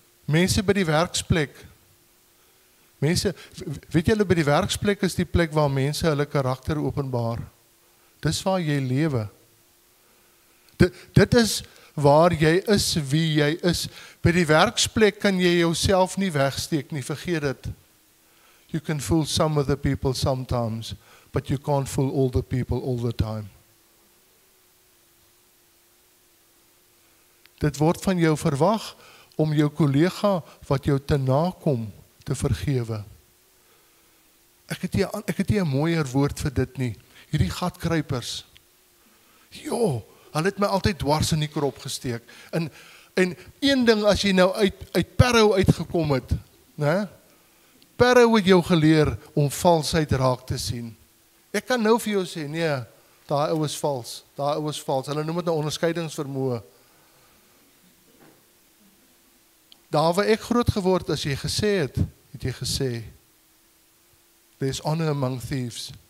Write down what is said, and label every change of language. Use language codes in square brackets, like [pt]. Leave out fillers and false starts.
[af] Mense by die werksplek, mense, weet julle, by die werksplek is die plek waar mense hulle karakter openbaar. Dis waar jy lewe. dit is waar jy is, wie jy is. By die werksplek kan jy jouself nie wegsteek nie, vergeet dit. [en] You can fool some of the people sometimes, but you can't fool all the people all the time. [af] Dit word van jou verwag om jou kollega wat jou te nakom te vergewe. Ek het nie 'n mooier woord vir dit nie. Hierdie gatkruipers. Jo, hulle het my altyd dwars in die krop gesteek. En een ding as jy nou uit Perro uitgekom het, né? Perro het jou geleer om valsheid raak te sien. Ek kan nou vir jou sê, nee, daai ou is vals. Daai ou is vals. Hulle noem dit 'n onderskeidingsvermoë. Daar waar ek groot geword as jy gesê het, het jy gesê [en] there's honor among thieves.